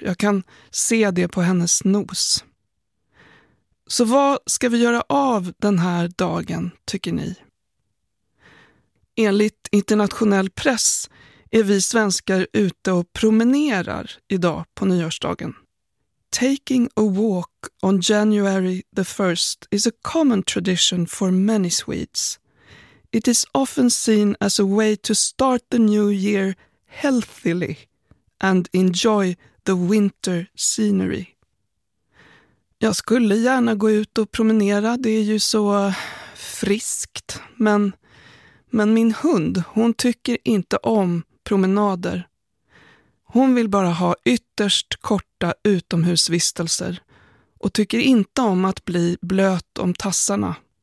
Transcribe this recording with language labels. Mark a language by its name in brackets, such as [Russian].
[Swedish] Jag kan se det på hennes nos. Så vad ska vi göra av den här dagen, tycker ni? Enligt internationell press är vi svenskar ute och promenerar idag på nyårsdagen. [English] Taking a walk on January the 1st is a common tradition for many Swedes. It is often seen as a way to start the new year healthily and enjoy the winter scenery. [Swedish] Jag skulle gärna gå ut och promenera, det är ju så friskt. Men min hund, hon tycker inte om promenader. Hon vill bara ha ytterst korta utomhusvistelser och tycker inte om att bli blöt om tassarna.